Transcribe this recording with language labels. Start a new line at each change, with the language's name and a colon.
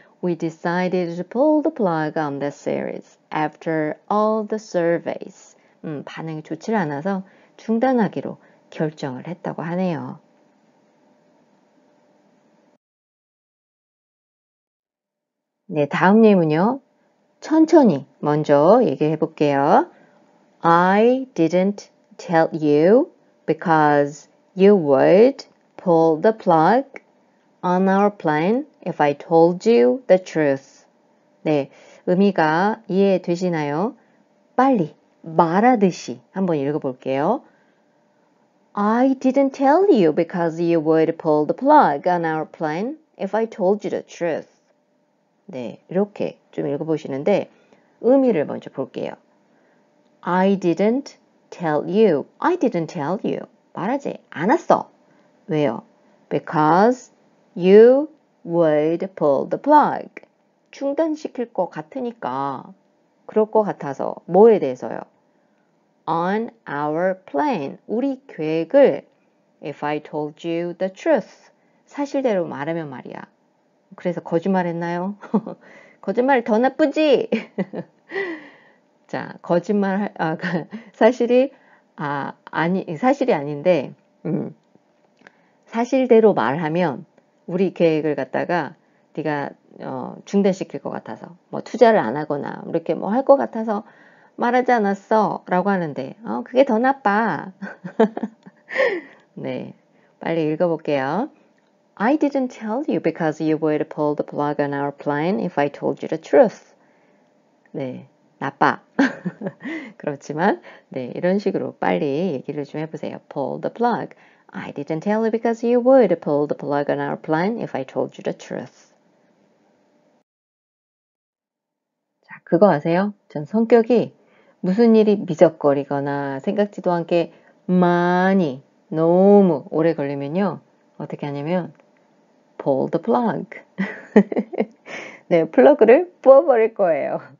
English: We decided to pull the plug on the series after all the surveys.
Korean: 반응이 좋지 않아서 중단하기로 결정을 했다고 하네요. 네, 다음 예문요. 천천히 먼저 얘기해 볼게요.
English: I didn't tell you because you would pull the plug on our plan if I told you the truth.
Korean: 네, 의미가 이해되시나요? 빨리 말하듯이 한번 읽어 볼게요.
English: I didn't tell you because you would pull the plug on our plan if I told you the truth.
Korean: 네, 이렇게 좀 읽어보시는데 의미를 먼저 볼게요.
English: I didn't tell you. I didn't tell you.
Korean: 말하지 않았어. 왜요?
English: Because you would pull the plug.
Korean: 중단시킬 것 같으니까. 그럴 것 같아서. 뭐에 대해서요?
English: On our plan.
Korean: 우리 계획을
English: if I told you the truth.
Korean: 사실대로 말하면 말이야. 그래서 거짓말했나요? 거짓말이 더 나쁘지? 자, 거짓말, 사실이 아닌데, 사실대로 말하면 우리 계획을 갖다가 네가 중단시킬 것 같아서, 뭐 투자를 안 하거나 이렇게 뭐할것 같아서 말하지 않았어라고 하는데, 그게 더 나빠. 네, 빨리 읽어볼게요.
English: I didn't tell you because you would pull the plug on our plan if I told you the truth.
Korean: 네, 나빠. 그렇지만, 네, 이런 식으로 빨리 얘기를 좀 해보세요.
English: Pull the plug. I didn't tell you because you would pull the plug on our plan if I told you the truth.
Korean: 자, 그거 아세요? 전 성격이 무슨 일이 미적거리거나 생각지도 않게 많이 너무 오래 걸리면요. 어떻게 하냐면,
English: Pull the plug.
Korean: 네, 플러그를 뽑아버릴 거예요.